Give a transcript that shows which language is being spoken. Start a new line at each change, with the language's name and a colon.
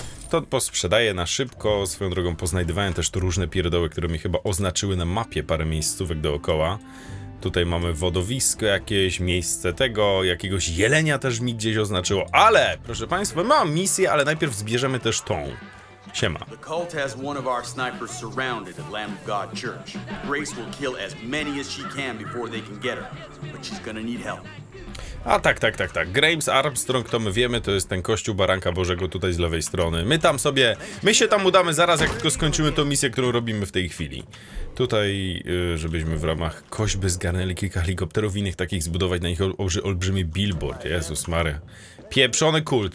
Polish: To posprzedaję na szybko, swoją drogą poznajdywałem też tu różne pierdoły, które mi chyba oznaczyły na mapie parę miejscówek dookoła. Tutaj mamy wodowisko jakieś, miejsce tego, jakiegoś jelenia też mi gdzieś oznaczyło, ale proszę państwa, mam misję, ale najpierw zbierzemy też tą. Siema.
English: The cult has one of our snipers surrounded at Lamb of God Church. Grace will kill as many as she can before they can get her, but she's gonna need help.
Polish: A tak. Grace Armstrong, to my wiemy, to jest ten kościół Baranka Bożego tutaj z lewej strony. My się tam udamy zaraz, jak tylko skończymy tą misję, którą robimy w tej chwili. Tutaj, żebyśmy w ramach kośby zgarnęli kilka helikopterów innych takich, zbudować na nich olbrzymi billboard. Jezus Maria. Pieprzony kult.